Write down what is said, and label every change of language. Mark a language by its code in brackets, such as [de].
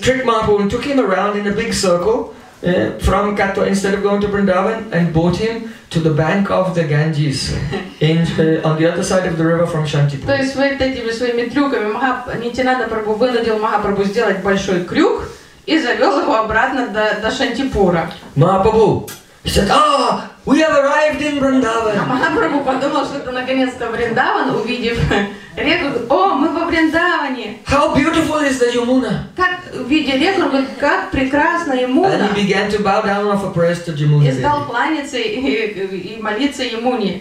[en] Trick Mahaprabhu and took him around in a big circle from Katwa instead of going to Vrindavan and brought him to the bank of the Ganges on the other side of the river from Shantipur. [ru] То есть вот этими своими трюками Нитинанда Прабху вынудил Махапрабху сделать большой крюк и завел его обратно до Шантипура. [en] Махапрабху, he said, we have arrived in Vrindavan. [ru] Махапрабху подумал, что это наконец-то Вриндаван, увидев реку, мы во Вриндаване. [en] How beautiful is the Yamuna? [ru] Как видя реку, говорит, как прекрасна Ямуна. [en] And he began to bow down for prayers to Yamuna. [ru] И стал кланяться и молиться Ямуне.